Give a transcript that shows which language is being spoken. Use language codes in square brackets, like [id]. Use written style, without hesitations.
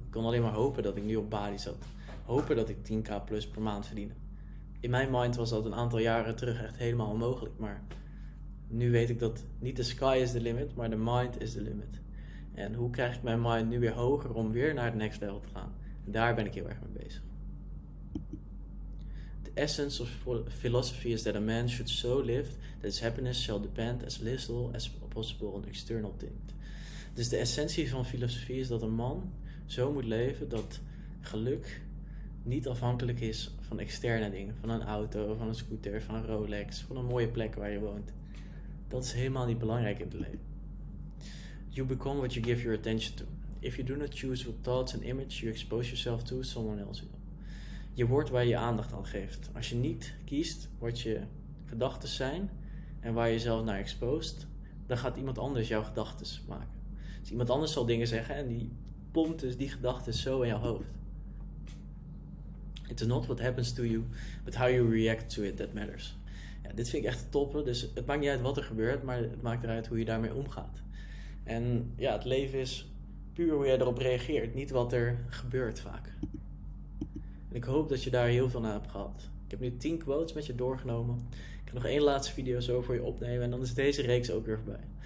[nl] Ik kon alleen maar hopen dat ik nu op Bali zat. Hopen dat ik 10k plus per maand verdiende. In mijn mind was dat een aantal jaren terug echt helemaal onmogelijk. Maar nu weet ik dat niet de [en] sky is the limit, [nl] maar de [en] mind is the limit. [nl] En hoe krijg ik mijn mind nu weer hoger om weer naar het next level te gaan? En daar ben ik heel erg mee bezig. [en] The essence of philosophy is that a man should so live that his happiness shall depend as little as possible on external things. [nl] Dus de essentie van filosofie is dat een man zo moet leven dat geluk niet afhankelijk is van externe dingen. Van een auto, van een scooter, van een Rolex, van een mooie plek waar je woont. Dat is helemaal niet belangrijk in het leven. [en] you become what you give your attention to. If you do not choose what thoughts and image you expose yourself to, someone else will. [nl] Je wordt waar je aandacht aan geeft. Als je niet kiest wat je gedachten zijn en waar je jezelf naar exposed, dan gaat iemand anders jouw gedachten maken. Dus iemand anders zal dingen zeggen en die pompt dus die gedachten zo in jouw hoofd. [en] It's not what happens to you, but how you react to it that matters. [nl] Ja, dit vind ik echt toppen. Dus het maakt niet uit wat er gebeurt, maar het maakt eruit hoe je daarmee omgaat. En ja, het leven is puur hoe jij erop reageert, niet wat er gebeurt vaak. En ik hoop dat je daar heel veel aan hebt gehad. Ik heb nu 10 quotes met je doorgenomen. Ik ga nog 1 laatste video zo voor je opnemen en dan is deze reeks ook weer voorbij.